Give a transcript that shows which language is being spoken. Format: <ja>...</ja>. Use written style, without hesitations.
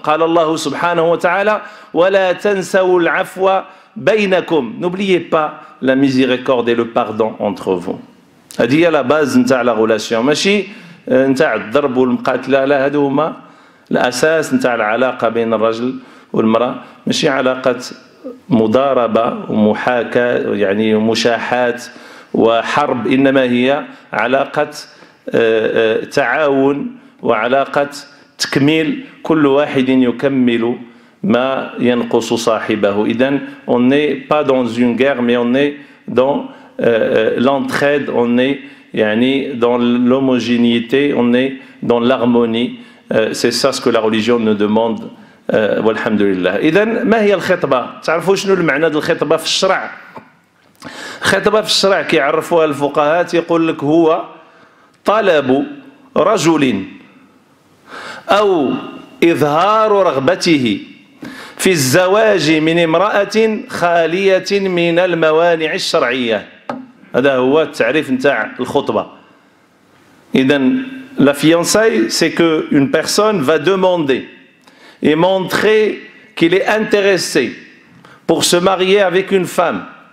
<ar>قال الله سبحانه وتعالى ولا تنسوا العفو بينكم.</ar> <fr>N'oubliez pas la miséricorde et le pardon entre vous.</fr> <ar>هذه هي</ar> <fr>لا باز</fr> <ar>نتاع</ar> <fr>لا ريلاسيون,</fr> <ar>ماشي نتاع الضرب والمقاتله. لا, هذو هما الاساس نتاع العلاقه بين الرجل والمراه, ماشي علاقه مضاربه ومحاكاه يعني مشاحات وحرب, انما هي علاقه تعاون وعلاقه تكميل, كل واحد يكمل ما ينقص صاحبه. إذن</ar> <fr>on n'est pas dans une guerre mais on est dans l'entraide, on est</fr> <ar>يعني</ar> <fr>dans l'homogénéité, on est dans l'harmonie. C'est ça ce que la religion nous demande,</fr> <ar>والحمد لله. إذن ما هي الخطبة؟ تعرفوا شنو المعنى ديال الخطبة في الشرع؟ خطبة في الشرع كيعرفوها الفقهاء يقول لك هو طلب رجل أو إظهار رغبته في الزواج من امرأة خالية من الموانع الشرعية. هذا هو التعريف نتاع الخطبة.</ar> <fr>إذن la fiançaille, c'est que une personne va demander et montrer qu'il est intéressé pour se marier avec une femme.</fr>